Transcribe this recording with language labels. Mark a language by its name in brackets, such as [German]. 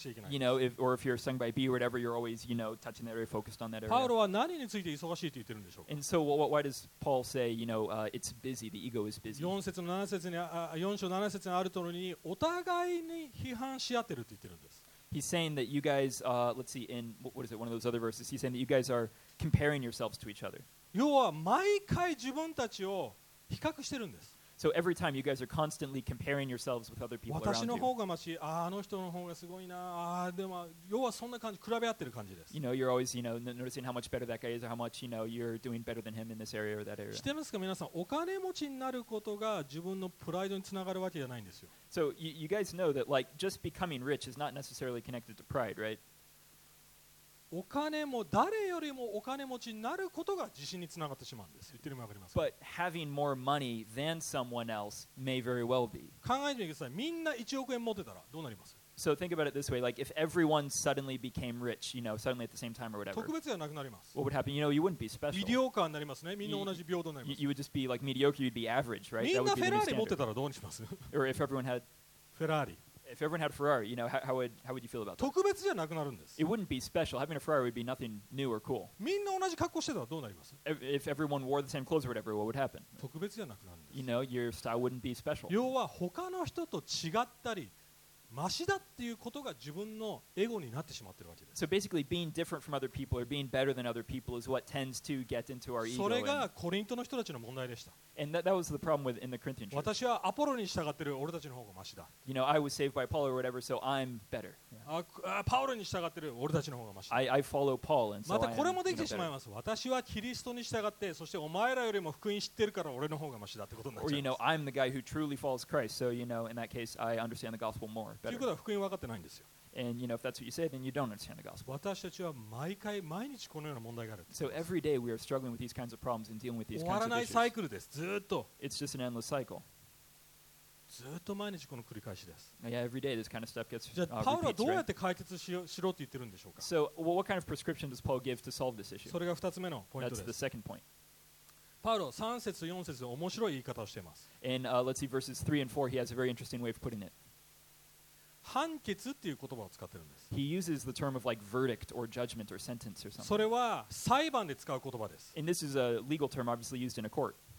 [English] You know, if you're stung by a bee or whatever, you're always, you know, touching that area, focused on that area. And so why does Paul say, you know, it's busy, the ego is busy? [Japanese] 4章7節にあるとおりに、お互いに批判し合ってるって言ってるんです。 [English] He's saying that you guys, let's see, in what is it, one of those other verses, he's saying that you guys are comparing yourselves to each other. [Japanese] 要は毎回自分たちを比較してるんです。 [English] So every time you guys are constantly comparing yourselves with other people around you. [Japanese] 私の方がマシ、あの人の方がすごいな、でも要はそんな感じ、比べ合ってる感じです。 [English] You know, you're always, you know, noticing how much better that guy is, or how much, you know, you're doing better than him in this area or that area. [Japanese] してますか皆さん、お金持ちになることが自分のプライドにつながるわけじゃないんですよ。 [English] So you guys know that like just becoming rich is not necessarily connected to pride, right? [Japanese] お金も誰よりもお金持ちになることが自信につながってしまうんです。言ってるのわかりますか? [English] But having more money than someone else may very well be. [Japanese] 考えてみてください。みんな1億円持ってたらどうなります? [English] So think about it this way. Like if everyone suddenly became rich, you know, suddenly at the same time or whatever. [Japanese] 特別じゃなくなります。 [English] What would happen? You know, you wouldn't be special. [Japanese] ミディオーカーになりますね。みんな同じ平等になります。 [English] You would just be like mediocre. You'd be average, right? [Japanese] みんなフェラーリ持ってたらどうにします? [English] Or if everyone had... [Japanese] フェラーリ。 [English] If everyone had a Ferrari, you know, how would you feel about that? [Japanese] 特別じゃなくなるんです。 [English] It wouldn't be special. Having a Ferrari would be nothing new or cool. [Japanese] みんな同じ格好してたらどうなります? [English] If everyone wore the same clothes or whatever, what would happen? [Japanese] 特別じゃなくなるんです。 [English] You know, your style wouldn't be special. [Japanese] 要は他の人と違ったり、マシだっていうことが自分のエゴになってしまってるわけです。 [English] So basically, being different from other people or being better than other people is what tends to get into our ego. [Japanese] それがコリントの人たちの問題でした。 [English] And that was the problem with in the Corinthian church. [Japanese] 私はアポロに従ってる俺たちの方がマシだ。 [English] You know, I was saved by Paul or whatever, so I'm better. [Japanese] パウロに従ってる俺たちの方がマシだ。 [English] I follow Paul, and so [Japanese] またこれもできてしまいます。私はキリストに従って、そしてお前らよりも福音知ってるから俺の方がマシだってことになっちゃいます。 [English] Or, you know, I'm the guy who truly follows Christ, so, you know, in that case, I understand the gospel more. [Japanese] ということは福音分かってないんですよ。 [English] And you know, if that's what you say, then you don't understand the gospel. [Japanese] 私たちは毎回毎日このような問題がある。 [English] So every day we are struggling with these kinds of problems and dealing with these kinds [Japanese] 終わらないサイクルです。ずっと。 [English] It's just an endless cycle. [Japanese] ずっと毎日この繰り返しです。 [English] Yeah, every day this kind of stuff gets repeated. [Japanese] じゃあパウロはどうやって解決しろって言ってるんでしょうか。 [English] So what kind of prescription does Paul give to solve this issue? [Japanese] それが二つ目のポイントです。 [English] That's the second point. [Japanese] パウロ三節四節で面白い言い方をしています。 [English] And let's see verses 3 and 4. He has a very interesting way of putting it. [Japanese] 判決っていう言葉を使ってるんです。 [English] He uses the term of like verdict or judgment or sentence or something. [Japanese] それは裁判で使う言葉です。 [English] And this is a legal term obviously used in a court.